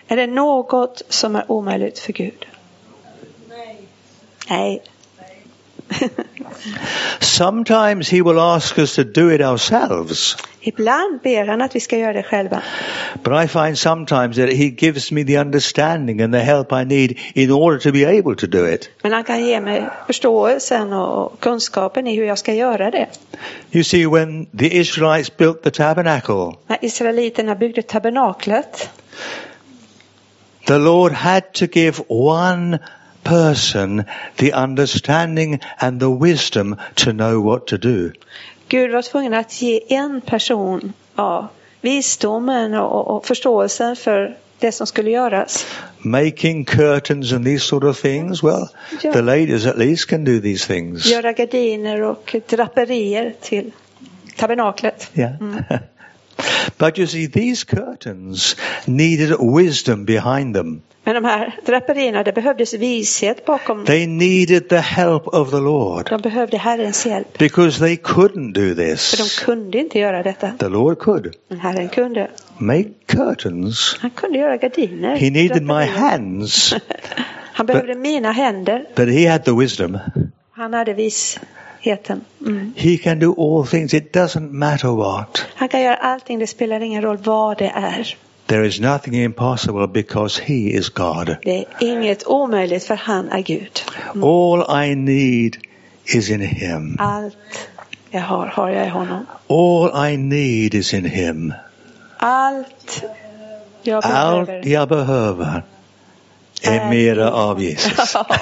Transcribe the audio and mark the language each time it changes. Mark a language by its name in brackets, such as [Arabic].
[Swedish] Är det något som är omöjligt för Gud? Nej. Nej. [English] Sometimes he will ask us to do it ourselves. [Swedish] Ibland ber han att vi ska göra det själva. [English] But I find sometimes that he gives me the understanding and the help I need in order to be able to do it. [Swedish] Men han kan ge mig förståelsen och kunskapen i hur jag ska göra det. [English] You see, when the Israelites built the tabernacle, [Swedish] när israeliterna byggde tabernaklet, [English] the Lord had to give one person the understanding and the wisdom to know what to do. [Swedish] Gud var tvungen att ge en person visdomen och förståelsen för det som skulle göras. [English] Making curtains and these sort of things, well, the ladies at least can do these things. [Swedish] Göra gardiner och draperier till tabernaklet. [English] Yeah. But you see, these curtains needed wisdom behind them. [Swedish] Men de här draperierna, det behövdes vishet bakom. [English] They needed the help of the Lord. [Swedish] De behövde Herrens hjälp. [English] Because they couldn't do this. [Swedish] För de kunde inte göra detta. [English] The Lord could. [Swedish] Men Herren kunde. [English] Make curtains. [Swedish] Han kunde göra gardiner. [English] He needed my hands. [Swedish] Han behövde mina händer. [English] But he had the wisdom. [Swedish] Han hade visheten. Mm. [English] He can do all things. It doesn't matter what. [Swedish] Han kan göra allting. Det spelar ingen roll vad det är. [English] There is nothing impossible because he is God. [Swedish] Det är inget omöjligt för han är Gud. [English] Mm. All I need is in him. [Swedish] Allt jag har jag i honom. [English] All I need is in him. [Swedish] Allt Allt jag behöver är mera av Jesus.